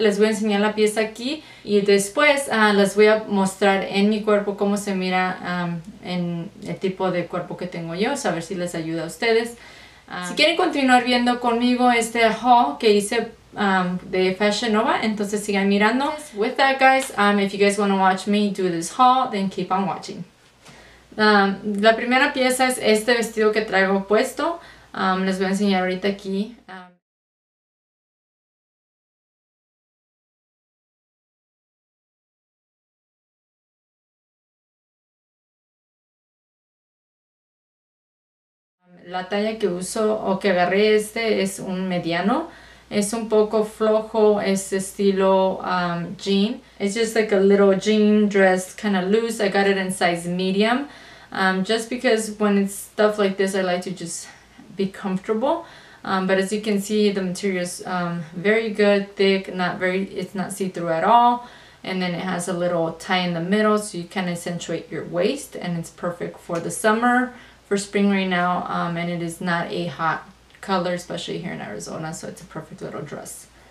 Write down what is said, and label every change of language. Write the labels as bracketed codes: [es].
[es] Les voy a enseñar la pieza aquí y después les voy a mostrar en mi cuerpo cómo se mira en el tipo de cuerpo que tengo yo. So a ver si les ayuda a ustedes. Si quieren continuar viendo conmigo este haul que hice de Fashion Nova, entonces sigan mirando. [en] With that, guys, if you guys want to watch me do this haul, then keep on watching. [es] La primera pieza es este vestido que traigo puesto. Les voy a enseñar ahorita aquí. La talla que uso o que agarré este es un mediano. Es un poco flojo, es estilo jean. [en] It's just like a little jean dress, kind of loose. I got it in size medium. Just because when it's stuff like this, I like to just be comfortable, but as you can see, the material is very good, thick, it's not see-through at all, and then it has a little tie in the middle so you can accentuate your waist, and it's perfect for the summer, for spring right now, and it is not a hot color, especially here in Arizona, so it's a perfect little dress.